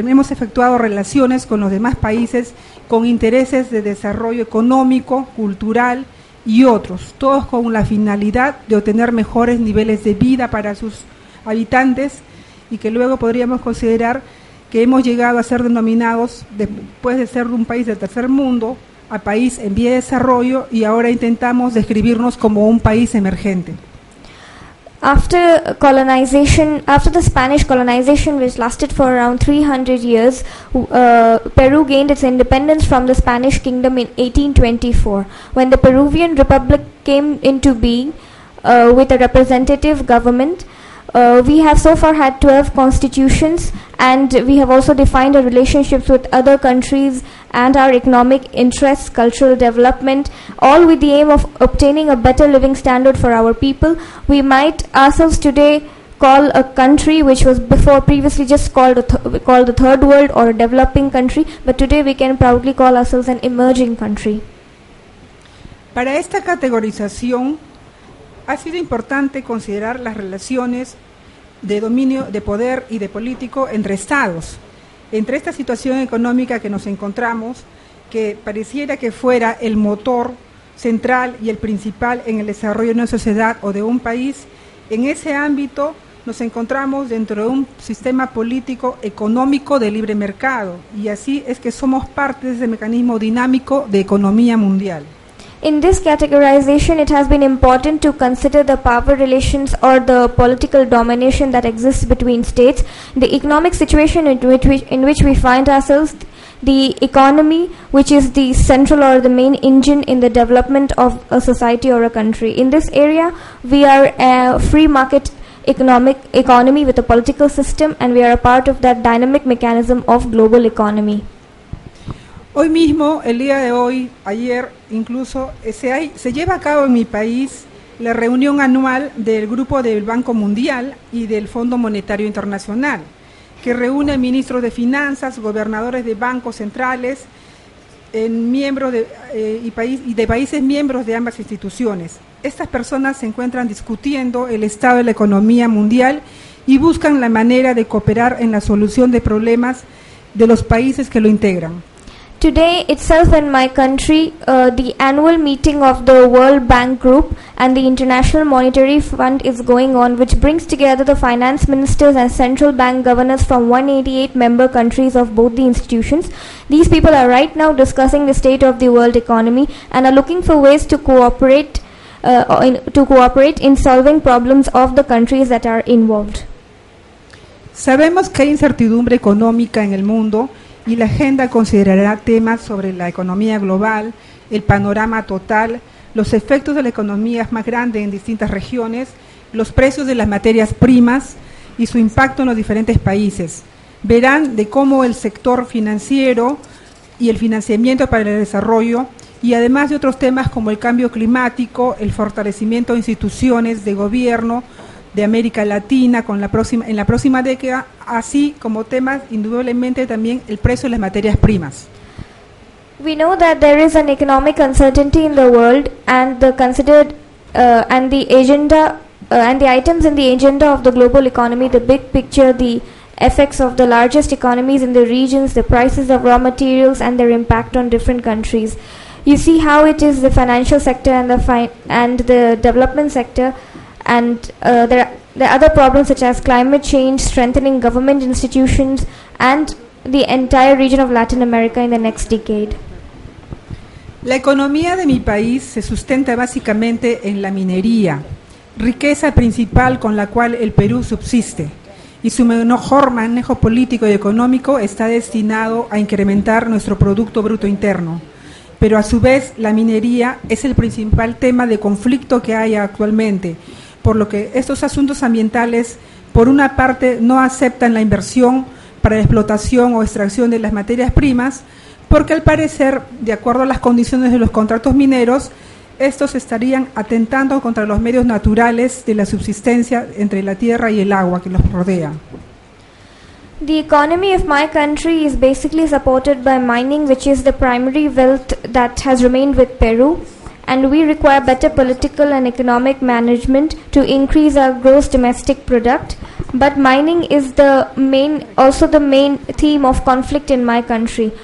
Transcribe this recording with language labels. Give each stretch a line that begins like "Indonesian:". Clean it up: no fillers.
Spanish: efectuado relaciones con los demás países con intereses de desarrollo económico, cultural y otros, todos con la finalidad de obtener mejores niveles de vida para sus habitantes y que luego podríamos considerar que hemos llegado a ser denominados, después de ser un país del tercer mundo, a país en vía de desarrollo y ahora intentamos describirnos como un país emergente.
English: After the Spanish colonization, which lasted for around 300 years, Peru gained its independence from the Spanish kingdom in 1824. When the Peruvian Republic came into being with a representative government, we have so far had 12 constitutions, and we have also defined our relationships with other countries and our economic interests, cultural development, all with the aim of obtaining a better living standard for our people. We might ourselves today call a country which was before previously just called the third world or a developing country, but today we can proudly call ourselves an emerging country.
Spanish: Para esta categorización ha sido importante considerar las relaciones de dominio, de poder y de político entre estados. Entre esta situación económica que nos encontramos, que pareciera que fuera el motor central y el principal en el desarrollo de una sociedad o de un país, en ese ámbito nos encontramos dentro de un sistema político económico de libre mercado, y así es que somos parte de ese mecanismo dinámico de economía mundial.
English: In this categorization, it has been important to consider the power relations or the political domination that exists between states, the economic situation in which we find ourselves, the economy, which is the central or the main engine in the development of a society or a country. In this area, we are a free market economy with a political system, and we are a part of that dynamic mechanism of global economy.
Spanish: Hoy mismo, el día de hoy, ayer incluso, se lleva a cabo en mi país la reunión anual del Grupo del Banco Mundial y del Fondo Monetario Internacional, que reúne ministros de finanzas, gobernadores de bancos centrales de países miembros de ambas instituciones. Estas personas se encuentran discutiendo el estado de la economía mundial y buscan la manera de cooperar en la solución de problemas de los países que lo integran.
English: Today itself in my country, the annual meeting of the World Bank Group and the International Monetary Fund is going on, which brings together the finance ministers and central bank governors from 188 member countries of both the institutions. These people are right now discussing the state of the world economy and are looking for ways to cooperate in solving problems of the countries that are involved.
Spanish: Sabemos que hay incertidumbre económica en el mundo, y la agenda considerará temas sobre la economía global, el panorama total, los efectos de la economía más grande en distintas regiones, los precios de las materias primas y su impacto en los diferentes países. Verán de cómo el sector financiero y el financiamiento para el desarrollo, y además de otros temas como el cambio climático, el fortalecimiento de instituciones de gobierno de América Latina en la próxima década, así como temas indudablemente también el precio de las materias primas.
English: We know that there is an economic uncertainty in the world, and the items in the agenda of the global economy, the big picture, the effects of the largest economies in the regions, the prices of raw materials and their impact on different countries. You see how it is the financial sector and the development sector. And there are other problems such as climate change, strengthening government institutions, and the entire region of Latin America in the next decade.
Spanish: La economía de mi país se sustenta básicamente en la minería, riqueza principal con la cual el Perú subsiste, y su mejor manejo político y económico está destinado a incrementar nuestro producto bruto interno. Pero a su vez, la minería es el principal tema de conflicto que hay actualmente. Por lo que estos asuntos ambientales, por una parte, no aceptan la inversión, para la explotación o extracción de las materias primas, porque al parecer, de acuerdo a las condiciones de los contratos mineros, estos estarían atentando contra los medios naturales de la subsistencia entre la tierra y el agua que los rodea.
English: The economy of my country is basically supported by mining, which is the primary wealth that has remained with Peru, and we require better political and economic management to increase our gross domestic product. But mining is the main theme of conflict in my country.